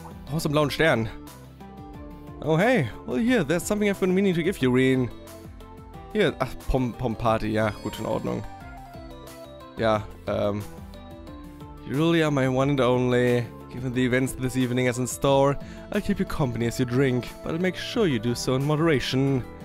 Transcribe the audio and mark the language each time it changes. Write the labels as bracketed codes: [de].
[de] Aus dem blauen Stern. [en] Oh hey, well here, there's something I've been meaning to give you, Reen. [de] Hier, ach, Pom-Pom-Party, ja, gut, in Ordnung. [en] Ja, you really are my one and only. Given the events this evening as in store, I'll keep you company as you drink, but I'll make sure you do so in moderation.